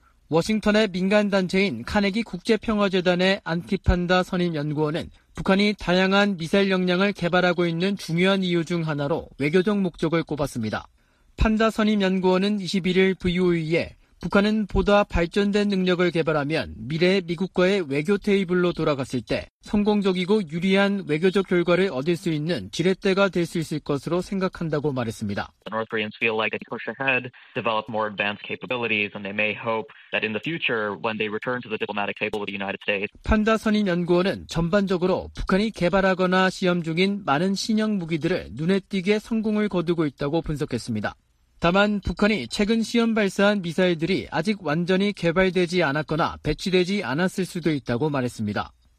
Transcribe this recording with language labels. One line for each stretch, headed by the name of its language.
Korean: 워싱턴의 민간단체인 카네기 국제평화재단의 안티판다 선임연구원은 북한이 다양한 미사일 역량을 개발하고 있는 중요한 이유 중 하나로 외교적 목적을 꼽았습니다. 판다 선임연구원은 21일 VOE에 북한은 보다 발전된 능력을 개발하면 미래 미국과의 외교 테이블로 돌아갔을 때 성공적이고 유리한 외교적 결과를 얻을 수 있는 지렛대가 될 수 있을 것으로 생각한다고 말했습니다.
English: The North Koreans feel like they push ahead, develop more advanced capabilities, and they may hope that in the future, when they return to the diplomatic table with the United States.
Korean: 판다 선임연구원은 전반적으로 북한이 개발하거나 시험 중인 많은 신형 무기들을 눈에 띄게 성공을 거두고 있다고 분석했습니다. 다만 북한이 최근 시험 발사한 미사일들이 아직 완전히 개발되지 않았거나 배치되지 않았을 수도 있다고 말했습니다.